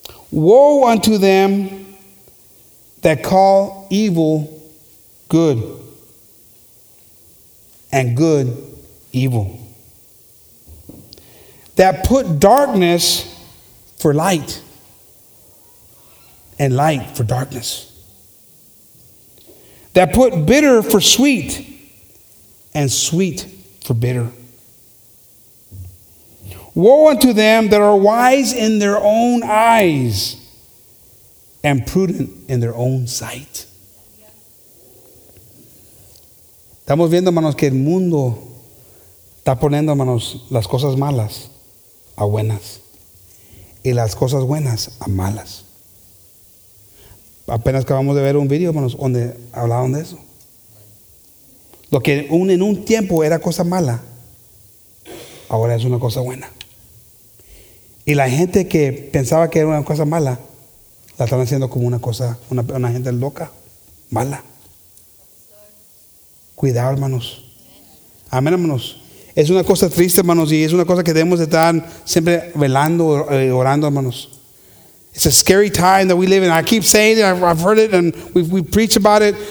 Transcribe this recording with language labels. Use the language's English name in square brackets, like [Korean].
[English] Woe unto them that call evil good and good evil, that put darkness for light and light for darkness, that put bitter for sweet and sweet for bitter. Woe unto them that are wise in their own eyes and prudent in their own sight. [Spanish] Estamos viendo, hermanos, que el mundo está poniendo, hermanos, las cosas malas a buenas y las cosas buenas a malas. Apenas acabamos de ver un video, hermanos, donde hablaban de eso. Lo que en un tiempo era cosa mala, ahora es una cosa buena. Y la gente que pensaba que era una cosa mala, la están haciendo como una cosa, una gente loca, mala. Cuidado, hermanos. Amén, hermanos. Es una cosa triste, hermanos, y es una cosa que debemos de estar siempre velando, orando, hermanos. [English] It's a scary time that we live in. I keep saying it. I've heard it, and we preach about it.